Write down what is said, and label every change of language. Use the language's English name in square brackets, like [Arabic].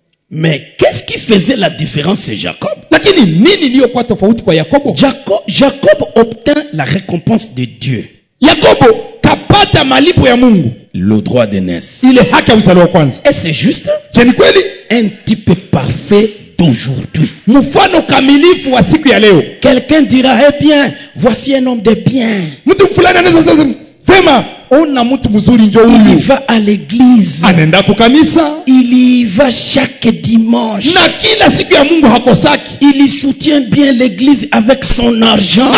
[French] Mais qu'est-ce qui faisait la différence chez Jacob? [Swahili] Lakini nini iliyokuwa tofauti kwa Yakobo? [French] Jacob obtint la récompense de Dieu. [Swahili] Yakobo kapata malipo ya Mungu. [French] Le droit de naissance. Il est [Swahili] haki ya uzaliwa kwanza. [French] Et c'est juste. [Swahili] Je ni kweli. [French] Un type parfait d'aujourd'hui. [Swahili] Mufano kamilifu wa siku ya leo. [French] Quelqu'un dira, eh bien, voici un homme de bien. [Swahili] Mtu fulani anaweza sasa sema, ona mtu mzuri njo huyu. [French] Il va à l'église. [Swahili] Anaenda kwa kanisa. [French] Il y va chaque dimanche. [Swahili] Na kila siku ya Mungu hakosaki. [French] Il y soutient bien l'église avec son argent.